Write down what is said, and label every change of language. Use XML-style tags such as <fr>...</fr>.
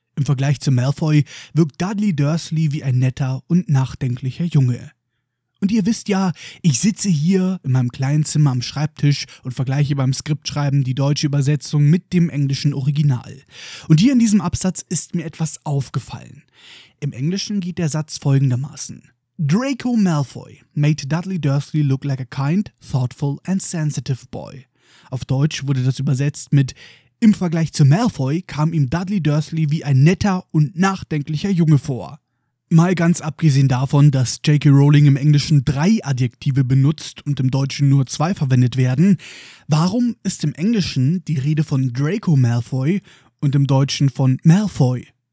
<de>Im Vergleich zu Malfoy wirkt Dudley Dursley wie ein netter und nachdenklicher Junge. Und ihr wisst ja, ich sitze hier in meinem kleinen Zimmer am Schreibtisch und vergleiche beim Skriptschreiben die deutsche Übersetzung mit dem englischen Original. Und hier in diesem Absatz ist mir etwas aufgefallen. Im Englischen geht der Satz folgendermaßen.</de> <en>Draco Malfoy made Dudley Dursley look like a kind, thoughtful and sensitive boy.</en> <de>Auf Deutsch wurde das übersetzt mit: Im Vergleich zu Malfoy kam ihm Dudley Dursley wie ein netter und nachdenklicher Junge vor. Mal ganz abgesehen davon, dass J.K. Rowling im Englischen 3 Adjektive benutzt und im Deutschen nur 2 verwendet werden, warum ist im Englischen die Rede von Draco Malfoy und im Deutschen von Malfoy?</de>